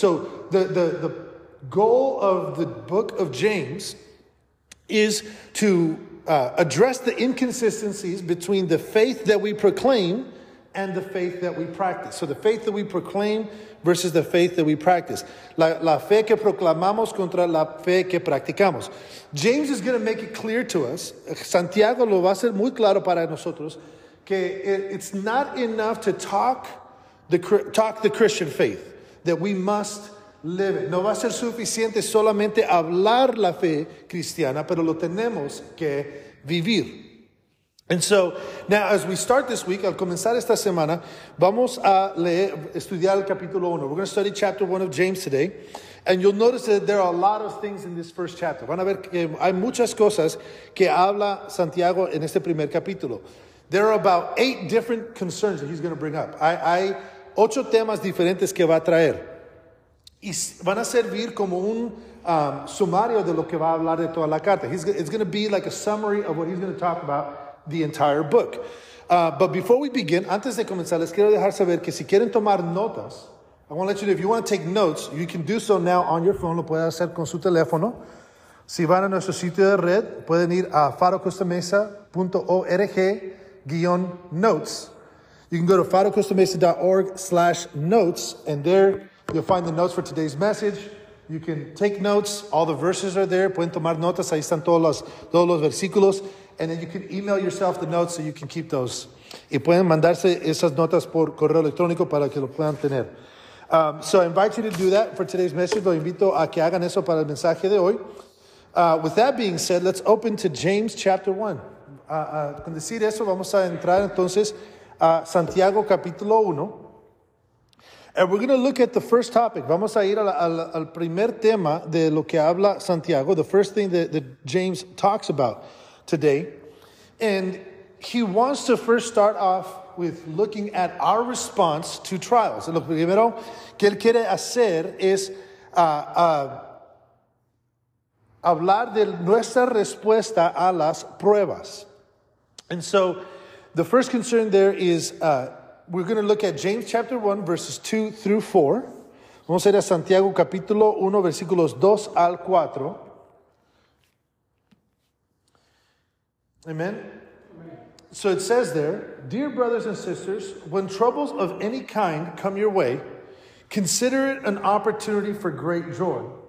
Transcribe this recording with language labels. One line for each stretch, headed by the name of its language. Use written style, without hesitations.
English: So the goal of the book of James is to address the inconsistencies between the faith that we proclaim and the faith that we practice. So the faith that we proclaim versus the faith that we practice.
Spanish: La fe que proclamamos contra la fe que practicamos.
English: James is going to make it clear to us,
Spanish: Santiago lo va a hacer muy claro para nosotros, que
English: it's not enough to talk the Christian faith, that we must live it.
Spanish: No va a ser suficiente solamente hablar la fe cristiana, pero lo tenemos que vivir.
English: And so, now as we start this week,
Spanish: al comenzar esta semana, vamos a estudiar el capítulo 1.
English: We're going to study chapter 1 of James today. And you'll notice that there are a lot of things in this first chapter.
Spanish: Van a ver que hay muchas cosas que habla Santiago en este primer capítulo.
English: There are about 8 different concerns that he's going to bring up.
Spanish: Hay 8 temas diferentes que va a traer. Y van a servir como un sumario de lo que va a hablar de toda la carta.
English: It's going to be like a summary of what he's going to talk about the entire book. But before we begin,
Spanish: antes de comenzar, les quiero dejar saber que si quieren tomar notas,
English: I want to let you know, if you want to take notes, you can do so now on your phone,
Spanish: lo pueden hacer con su teléfono. Si van a nuestro sitio de red, pueden ir a farocostamesa.org/notes.
English: You can go to farocostamesa.org/notes, and there you'll find the notes for today's message. You can take notes, all the verses are there,
Spanish: pueden tomar notas, ahí están todos los versículos.
English: And then you can email yourself the notes so you can keep those.
Spanish: Y pueden mandarse esas notas por correo electrónico para que lo puedan tener.
English: So I invite you to do that for today's message.
Spanish: Lo invito a que hagan eso para el mensaje de hoy.
English: With that being said, let's open to James chapter 1.
Spanish: Con decir eso, vamos a entrar entonces a Santiago capítulo 1.
English: And we're going to look at the first topic.
Spanish: Vamos a ir al primer tema de lo que habla Santiago,
English: the first thing that James talks about today. And he wants to first start off with looking at our response to trials.
Spanish: Lo primero que él quiere hacer es hablar de nuestra respuesta a las pruebas.
English: And so the first concern there is we're going to look at James chapter 1, verses 2 through 4.
Spanish: Vamos a ir a Santiago capítulo 1, versículos 2 al 4.
English: Amen. So it says there, dear brothers and sisters, when troubles of any kind come your way, consider it an opportunity for great joy.